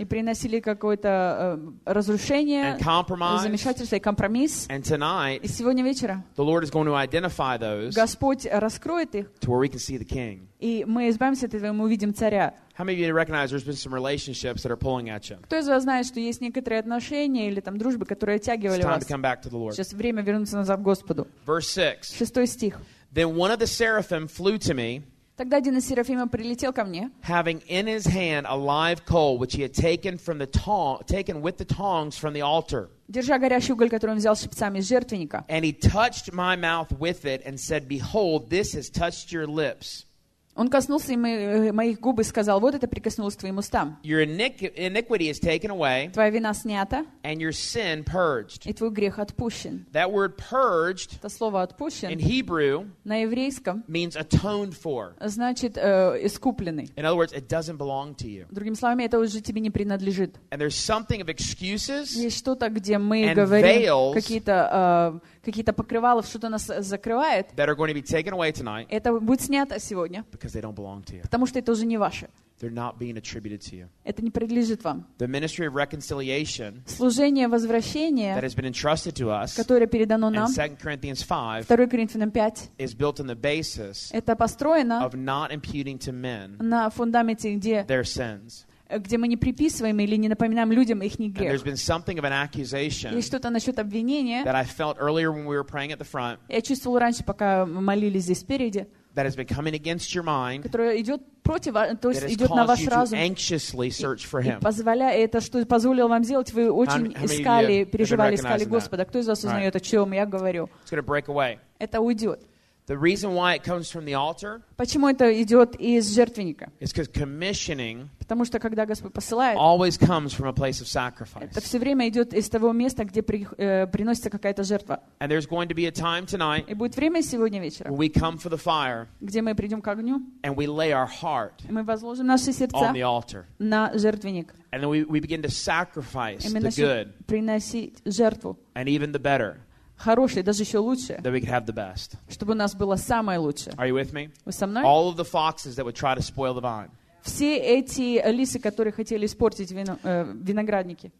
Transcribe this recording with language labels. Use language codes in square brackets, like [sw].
[ru] И приносили какое-то разрушение. [en] And compromise. [ru] Замешательство и компромисс. [en] And tonight. [ru] И сегодня вечером. [en] The Lord is going to identify those. [ru] Господь раскроет их. [en] To where we can see the King. [ru] И мы избавимся от этого, и мы увидим царя. [en] How many of you recognize there's been some relationships that are pulling at you? [ru] Кто из вас знает, что есть некоторые отношения или там дружбы, которые оттягивали вас? [en] It's time to come back to the Lord. [ru] Сейчас время вернуться назад к Господу. [en] Verse 6. [ru] Шестой стих. [en] Then one of the seraphim flew to me. [ru] Тогда один из серафимов прилетел ко мне. [en] Having in his hand a live coal which he had taken with the tongs from the altar. [ru] Держа горящий уголь, который он взял щипцами из жертвенника. [en] And he touched my mouth with it and said, "Behold, this has touched your lips." [ru] Он коснулся моих губ и сказал: вот это прикоснулось к твоим устам. [en] Your iniquity is taken away. [ru] Твоя вина снята. [en] And your sin purged. [ru] И твой грех отпущен. [en] That word purged. [ru] Это слово отпущен. [en] In Hebrew. [ru] На еврейском. [en] Means atoned for. [ru] Значит, искупленный. [en] In other words, it doesn't belong to you. [ru] Другими словами, это уже тебе не принадлежит. [en] And there's something of excuses. [ru] Есть что-то, где мы говорим какие-то покрывала, что-то нас закрывает. [en] That are going to be taken away tonight. [ru] Это будет снято сегодня. [en] Because they don't belong to you. [ru] Потому что это уже не ваше. [en] They're not being attributed to you. [ru] Это не принадлежит вам. [en] The ministry of reconciliation. [ru] Служение возвращения. [en] That has been entrusted to us. [ru] Которое передано нам. [en] In 2 Corinthians 5. [ru] 2 Коринфянам 5. [en] Is built on the basis. [ru] Это построено. [en] Of not imputing to men. [ru] На фундаменте где. [en] Their sins. [ru] Где мы не приписываем или не напоминаем людям их грех. Есть что-то насчет обвинения. [en] That I felt earlier when we were praying at the front. [ru] Я чувствовал раньше, пока мы молились здесь спереди. [en] That has been coming against your mind. [ru] Которая идет против, то есть идет на ваш разум. [en] Anxiously search for him. [ru] И позволяя это, что позволил вам сделать, вы очень искали, переживали, искали Господа. Кто из вас узнает, о чем я говорю? [en] It's going to break away. [ru] Это уйдет. [en] The reason why it comes from the altar. [ru] Почему это идет из жертвенника? [en] It's because commissioning. [ru] Потому что когда Господь посылает. [en] Always comes from a place of sacrifice. [ru] Это все время идет из того места, где приносится какая-то жертва. [en] And there's going to be a time tonight. [ru] И будет время сегодня вечером. [en] We come for the fire. [ru] Где мы придем к огню. [en] And we lay our heart. [ru] И мы возложим наши сердца. [en] On the altar. [ru] На жертвенник. [en] And then we begin to sacrifice the good. [ru] И мы приносить жертву. [en] And even the better. [ru] Хорошее, даже еще лучше. [en] That we could have the best. [ru] Чтобы у нас было самое лучшее. [en] Are you with me? [ru] Вы со мной? [en] All of the foxes that would try to spoil the vine. [ru] Все эти лисы, которые хотели испортить виноградники.